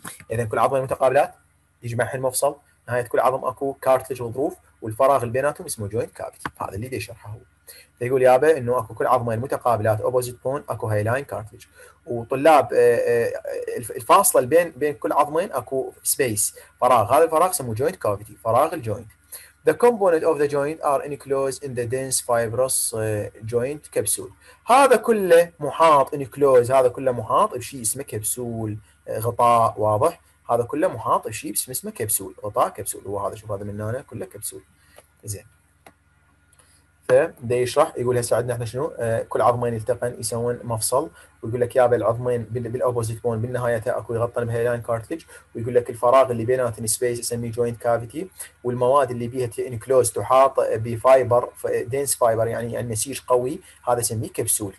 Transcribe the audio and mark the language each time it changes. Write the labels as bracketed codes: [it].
[ar] اذا كل عظمين متقابلات يجمعها المفصل نهاية كل عظم اكو كارتلج وظروف والفراغ اللي بيناتهم اسمه جوينت كافيتي هذا اللي يشرحه هو يقول يابا انه اكو كل عظمين متقابلات اوبوزيت بون اكو هيلاين كارتلج وطلاب الفاصله بين كل عظمين اكو سبيس فراغ هذا الفراغ اسمه جوينت كافيتي فراغ الجوينت [en] The component of the joint are enclosed in the dense fibrous joint capsule. [ar] هذا كله محاط enclosed, هذا كله محاط بشيء اسمه كبسول, غطاء, واضح. هذا كله محاط بشيء اسمه كبسول, غطاء كبسول. هو هذا, شوف هذا من هنا كله كبسول. زين, فده يشرح يقول هسه عندنا احنا شنو, كل عظمين يلتقن يسوون مفصل, ويقول لك يا بالعظمين بالاوبوزيت بون بالنهايه اكو يغطى بهيلان كارتليج, ويقول لك الفراغ اللي بيناتهم سبيس اسميه جوينت كافيتي, والمواد اللي بيها انكلوز تحاط بفايبر دنس فايبر يعني نسيج قوي, هذا اسميه كبسول.